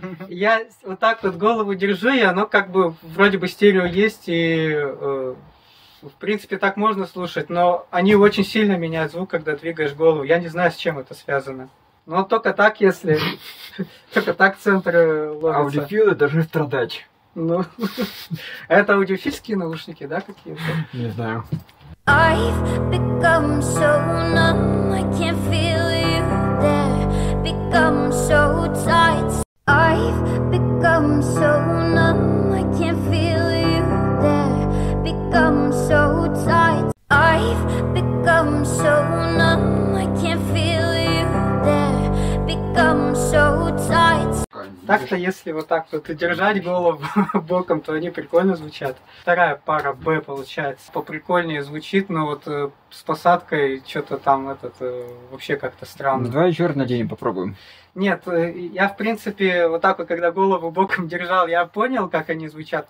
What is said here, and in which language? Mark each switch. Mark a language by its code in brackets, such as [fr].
[ru] Я вот так вот голову держу, и оно как бы вроде бы стерео есть, и в принципе так можно слушать, но они очень сильно меняют звук, когда двигаешь голову. Я не знаю, с чем это связано. Но только так, если... Только так центр ловится. Аудиофилы должны страдать. Ну, это аудиофильские наушники, да, какие-то? Не знаю. [en] I've become so numb, I can't feel you there, become so tight. I've become so numb, I can't feel you there, become so tight. I've become so numb, I can't feel you there, become so tight. [ru] Так-то если вот так вот держать голову боком, то они прикольно звучат. Вторая пара Б получается поприкольнее звучит, но вот с посадкой что-то там этот вообще как-то странно. Давай еще раз наденем, попробуем. Нет, я в принципе вот так вот, когда голову боком держал, я понял, как они звучат.